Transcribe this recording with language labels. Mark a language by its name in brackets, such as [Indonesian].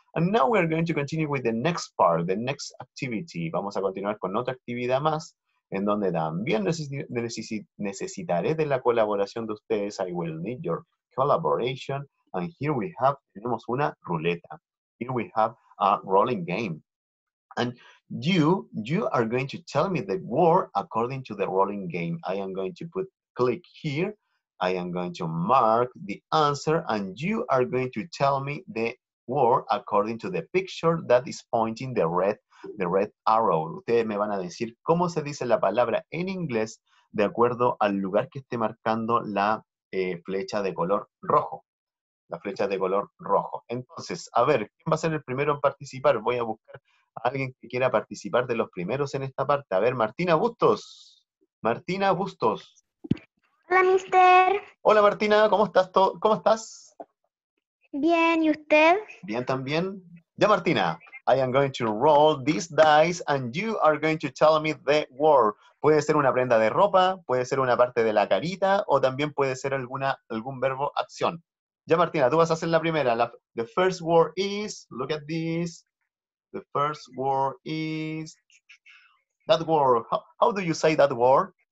[English] And now we are going to continue with the next part, the next activity. [Spanish] Vamos a continuar con otra actividad más, en donde también necesitaré de la colaboración de ustedes. [English] I will need your collaboration. And here we have, [Spanish] tenemos una ruleta. [English] Here we have a rolling game. And you are going to tell me the word according to the rolling game. I am going to click here. I am going to mark the answer. And you are going to tell me the word according to the picture that is pointing the red arrow. [Spanish] Ustedes me van a decir cómo se dice la palabra en inglés de acuerdo al lugar que esté marcando la flecha de color rojo. La flecha de color rojo. Entonces, a ver, ¿quién va a ser el primero en participar? Voy a buscar Alguien que quiera participar de los primeros en esta parte. A ver, Martina Bustos. Martina Bustos. Hola, mister. Hola, Martina. ¿Cómo estás? ¿Cómo estás? Bien, ¿y usted? Bien, también. Ya, Martina. [English] I am going to roll these dice and you are going to tell me the word. [Spanish] Puede ser una prenda de ropa, puede ser una parte de la carita o también puede ser algún verbo acción. Ya, Martina, tú vas a hacer la primera. [English] The first word is, look at this. The first word is, that word. How do you say that word?